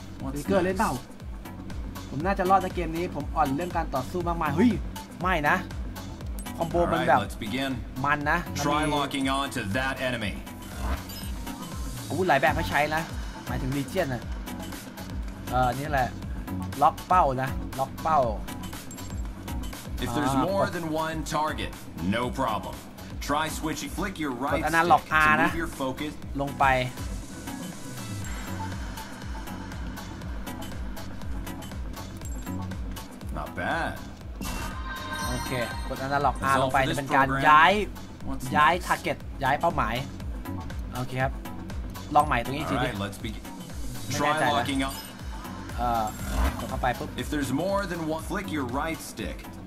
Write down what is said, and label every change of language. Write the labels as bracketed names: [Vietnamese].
[Thai] สติ๊กเกอร์เล่นเปล่าผมน่าจะรอดในเกมนี้ผมอ่อนเรื่องการต่อสู้มากมายเฮ้ยไม่นะคอมโบมันแบบมันนะ [English] Try locking on to that enemy. [Thai] อู้หลายแบบให้ใช้นะหมายถึงลีเจียนนะนี่แหละล็อกเป้านะล็อกเป้า [English] If there's more than one target, no problem. Try switching. Flick your right stick to move your focus. [Thai] ลงไป [English] Not bad. Okay. [Thai] กด Analog R ลงไปจะเป็นการย้าย target ย้ายเป้าหมายโอเคครับลองใหม่ตรงนี้ทีดีไม่แน่ใจนะ กดเข้าไปปุ๊บ [English] If there's more than one, flick your right stick.